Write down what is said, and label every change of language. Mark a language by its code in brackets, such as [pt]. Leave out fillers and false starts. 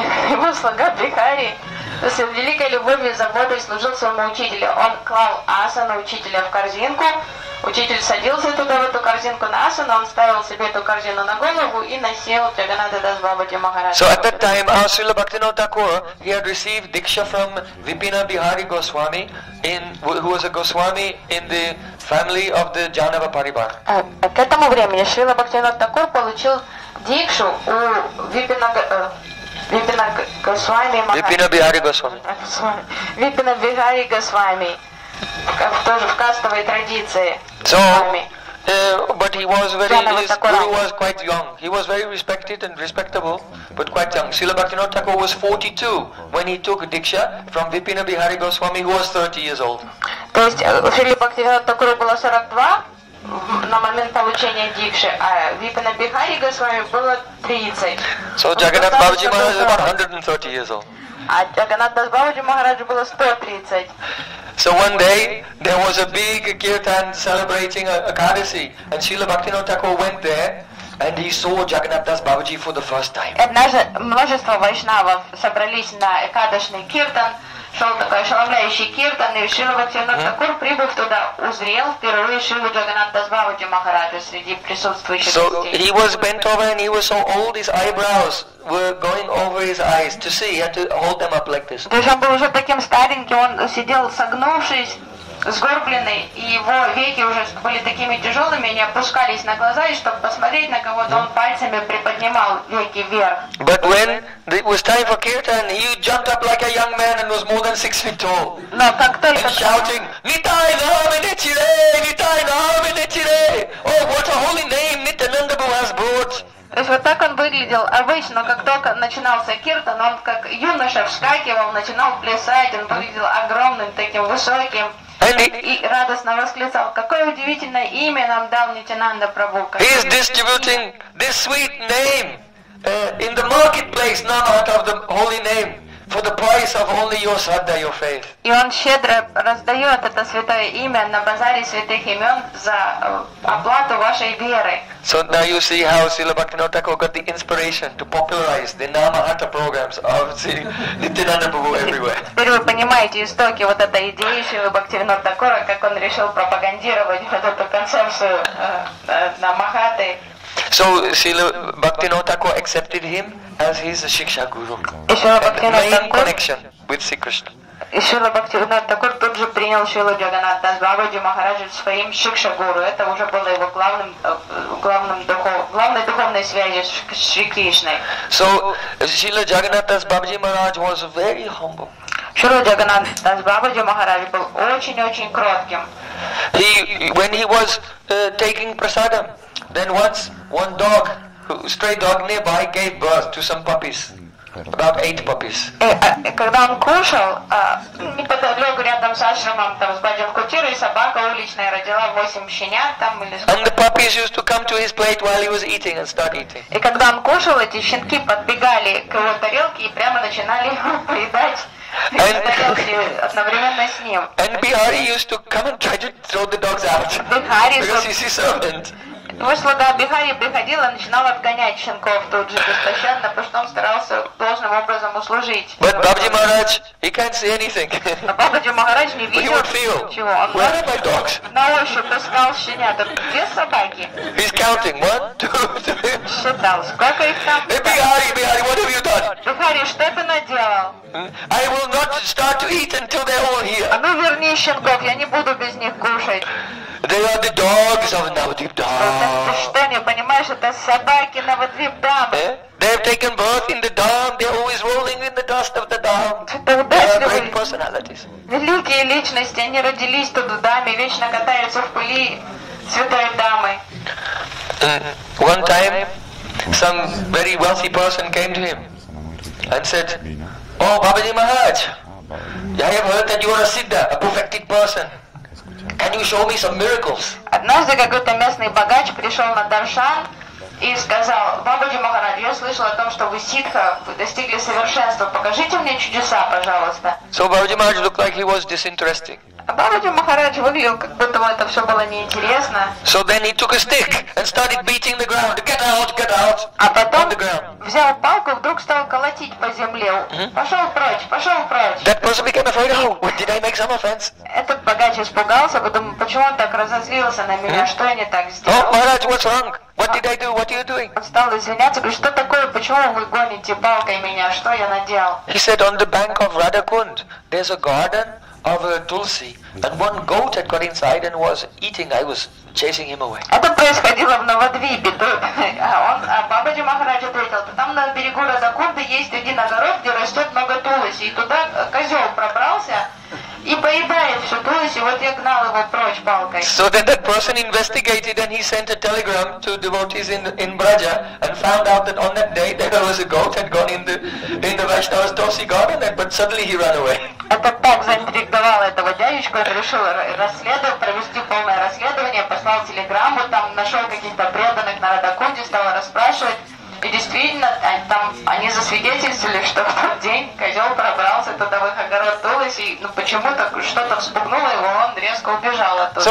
[ru] Его слуга Бихари с великой любовью и заботой служил своему учителю. Он клал асану учителя в корзинку. Учитель садился туда, в эту корзинку на асану, он ставил себе эту корзину на голову и носил Джаганнатха Дас Бабаджи Махараджа. [en] So at that time, our Srila Bhaktivinoda Thakur, he had received Diksha from Vipina Bihari Goswami, who was a Goswami in the family of the Janava Paribar. [ru] К этому времени Srila Bhaktivinoda Thakur получил дикшу у Випина Випина Госвами Махараджа. Випина Бихари Госвами. Випина Бихари Госвами. Тоже в кастовой традиции. [en] So, but he was very, his guru was quite young. He was very respected and respectable, but quite young. Srila Bhaktivinoda Thakur was 42 when he took Diksha from Vipina Bihari Goswami, who was 30 years old. [ru] То есть Srila Bhaktivinoda Thakur было 42, на момент получения дикши, а Випина Бихари Госвами было 30. [en] So Jagannath Babaji Maharaj was 130 years old. [ru] А Джаганнат Дас Бабаджи Махарадж было 130. [en] So one day there was a big kirtan celebrating a Kadasi, and Srila Bhaktivinoda Thakur went there and he saw Jagannath Das Babaji for the first time. [ru] Однажды множество вайшнавов собрались на экадашный киртан, шел такой ошеломляющий киртан, и Шрила Бхактивинода Такур, прибыв туда, узрел впервые Шрилу Джаганнат Дас Бабаджи Махараджа среди присутствующих. [en] So he was bent over and he was so old, his eyebrows were going over his eyes to see, he had to hold them up like this. [ru] То есть он был уже таким стареньким, он сидел согнувшись, сгорбленный, и его веки уже были такими тяжелыми, они опускались на глаза, и чтобы посмотреть на кого-то, он пальцами приподнимал веки вверх. [en] But when it was time for kirtan, he jumped up like a young man and was more than 6 feet tall. [ru] Но как только... [en] And shouting, Nitai Nami Nichire! Nitai Nami Nichire! Oh, what a holy name Nityananda Prabhu has brought! [ru] То есть вот так он выглядел обычно, но как только начинался киртан, он как юноша вскакивал, начинал плясать, он выглядел огромным, таким высоким. И радостно восклицал, какое удивительное имя нам дал Нитянанда Прабху. [en] He is distributing this sweet name in the marketplace now out of the holy name for the price of only your sadda, your faith. [ru] И он щедро раздает это святое имя на базаре святых имен за оплату вашей веры. [en] So now you see how Srila Bhaktivinoda Thakur got the inspiration to popularize the Namahata programs of Nityananda Prabhu everywhere. [ru] Теперь вы понимаете истоки вот этой идеи Srila Bhaktivinoda Thakur, как он решил пропагандировать вот эту концепцию Намахаты. [en] So Srila Bhaktivinoda Thakur accepted him as his Shiksha Guru. Main connection with Sri Krishna. [ru] И Шрила Бхактивинода Такур тут же принял Шрилу Джаганнат Дас Бабаджи Махараджа своим шикша-гуру. Это уже было его главной духовной связью с Шри Кришной. [en] So, Шрила Джаганнат Дас Бабаджи Махарадж was very humble. [ru] Шрила Джаганнат Дас Бабаджи Махарадж был очень-очень кротким. [en] He, when he was taking prasadam, then once one dog, stray dog nearby, gave birth to some puppies. About 8 puppies. [ru] Когда он кушал, неподалеку рядом с ашрамом, там с баджан кутирой, собака уличная родила 8 щенят там или сколько. [en] And the puppies used to come to his plate while he was eating and start eating. [ru] И когда он кушал, эти щенки подбегали к его тарелке и прямо начинали поедать. [en] And, and Bihari used to come and try to throw the dogs out because he's his servant. [ru] Его слуга Бихари приходил и начинал отгонять щенков тут же беспощадно, потому что он старался должным образом услужить. [en] But Бабаджи Махарадж, he can't see anything. [ru] Но Бабаджи Махарадж не видел ничего. [en] Where are my dogs? [ru] На ощупь искал щенят. Где собаки? [en] He's counting. 1, 2, 3. [ru] Считал. Сколько их там? [en] Hey, Bihari, Bihari, what have you done? [ru] Bihari, что ты наделал? [en] I will not start to eat until they're all here. [ru] А ну верни щенков, я не буду без них кушать. [en] They are the dogs of Navadvip Dham. [ru] Ты что не понимаешь, это собаки Навадвип Дхам. [en] They have taken birth in the Dham, they're always rolling in the dust of the Dham. Great personalities. [ru] Великие личности, они родились тут в Дхаме, вечно катаются в пыли святой Дхамы. [en] One time, some very wealthy person came to him and said, Oh, Babaji Maharaj, I have heard that you are a Siddha, a perfected person. Can you show me some miracles? [ru] Однажды какой-то местный богач пришел на даршан и сказал, Бабаджи Махарадж, я слышал о том, что вы ситха, вы достигли совершенства, покажите мне чудеса, пожалуйста. [en] So Бабаджи Махарадж looked like he was disinterested. [ru] А Бабаджи Махарадж выглядел, как будто это все было неинтересно. [en] So then he took a stick and started beating the ground. Get out, [ru] а потом взял палку и вдруг стал колотить по земле. Пошел прочь, пошел прочь. [en] That person became afraid. Oh, did I make some offense? [ru] Этот богач испугался, потому почему он так разозлился на меня, что я не так сделал? [en] Oh, Махарадж, what's wrong? What did I do? What are you doing? [ru] Он стал извиняться, говорит, что такое, почему вы гоните палкой меня, что я наделал? [en] He said, on the bank of Radhakund, there's a garden of a tulsi, and one goat had got inside and was eating. I was chasing him away. [ru] Это происходило в Навадвипе. А Бабаджи Махарадж ответил, там на берегу Радхакунды есть один огород, где растет много тулоси. И туда козел пробрался и поедает всю тулоси. Вот я гнал его прочь палкой. [en] So then that person investigated and he sent a telegram to devotees in Braja and found out that on that day there was a goat had gone in the Vaishnava's tulsi garden, but suddenly he ran away. [ru] Это так заинтриговало этого дядечку, он решил провести полное расследование. послал телеграмму, там нашел каких-то преданных на Радакунде, стал расспрашивать. И действительно, там они засвидетельствовали, что в тот день козел пробрался туда в их огород Тулыси, и ну, почему-то что-то вспугнуло его, он резко убежал оттуда.